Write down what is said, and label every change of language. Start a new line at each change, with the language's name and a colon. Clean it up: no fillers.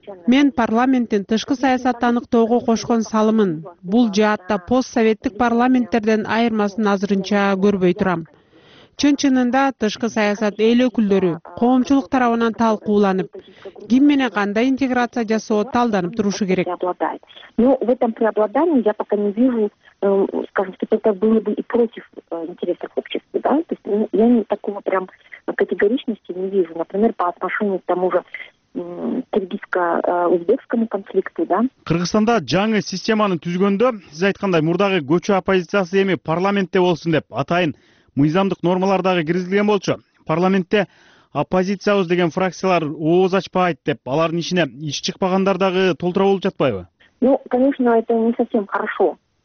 Kyrgyz: Мен парламенттин тышкы саясатты аныктоого кошкон салымын бул жаатта постсоветтик парламенттерден айырмасын азырынча көрбөй турам. Чын чынында тышкы саясат эл өкүлдөрү, коомчулук тарабынан талкууланып, ким менен кандай интеграция жасоо талданып турушу керек.
Russian: Но в этом преобладании я пока не вижу, скажем, что это было бы и против интересов общества, да? То есть, ну, я не такого прям категоричности не вижу, например, по отношению к тому же кыргызско-узбекскому конфликту, да?
Kyrgyz: Кыргызстанда жаңы системаны түзгөндө, сиз айткандай, мурдагы көчө оппозициясы эми парламентте болсун деп атайын мыйзамдык нормалар дагы киргизилген болчу. Парламентте оппозициябыз деген фракциялар ооз ачпайт деп, алардын ишине иш чыкпагандар дагы толтура болуп жатпайбы?
Russian: Ну, конечно, это не совсем хорошо.